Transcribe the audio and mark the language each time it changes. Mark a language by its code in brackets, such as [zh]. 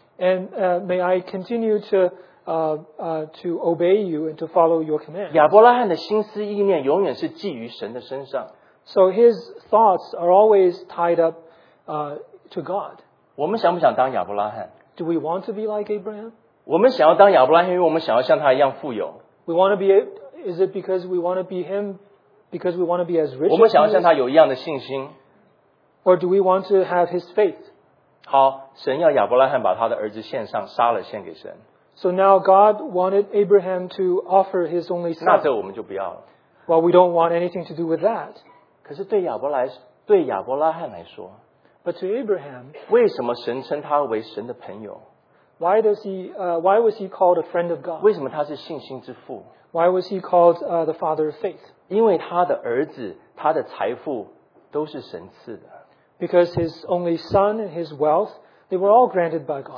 [en] And may I continue to obey you and to follow your command. [zh] 亚伯拉罕的心思意念永远是寄于神的身上。 [en] So his thoughts are always tied up to God. [zh] 我们想不想当亚伯拉罕? [en] Do we want to be like Abraham? [zh] 我们想要当亚伯拉罕，因为我们想要像他一样富有。 [en] We want to be. Is it because we want to be him? Because we want to be as rich. [zh] 我们想要像他有一样的信心。 [en] Or do we want to have his faith? [zh] 好，神要亚伯拉罕把他的儿子献上，杀了献给神。 [en] So now God wanted Abraham to offer his only son. [zh] 那这我们就不要了。 [en] Well, we don't want anything to do with that. [zh] 可是对亚伯拉罕来说， [en] but to Abraham, [zh] 为什么神称他为神的朋友？ [en] Why does he? Why was he called a friend of God? [zh] 为什么他是信心之父？ [en] Why was he called the father of faith? [zh] 因为他的儿子，他的财富都是神赐的。 [en] Because his only son and his wealth, they were all granted by God.